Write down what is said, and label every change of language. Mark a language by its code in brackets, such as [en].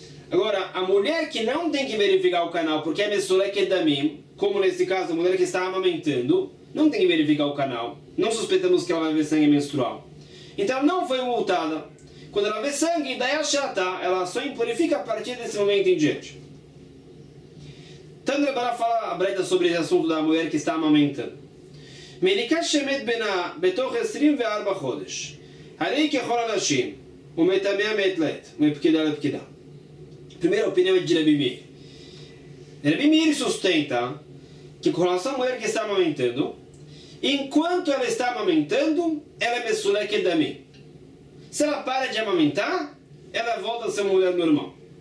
[pt] Agora, a mulher que não tem que verificar o canal, porque é mesulek damim, como nesse caso, a mulher que está amamentando, não tem que verificar o canal. Não suspeitamos que ela vai ver sangue menstrual. Então, ela não foi multada. Quando ela vê sangue, daí ela só impurifica a partir desse momento em diante. Tandre Bara fala a Breda sobre esse assunto da mulher que está amamentando. [he] מניקת שמת בנה בתוך 24 חודש, הרי ככל אנשים, הוא מטמא מעת לעת, מפקידה לפקידה. [pt] Primeira opinião de Rabi Meir. Rabi Meir sustenta que com relação à mulher que está amamentando, enquanto ela está amamentando, ela é mesulek damim. Se ela para de amamentar, ela volta a ser uma mulher normal.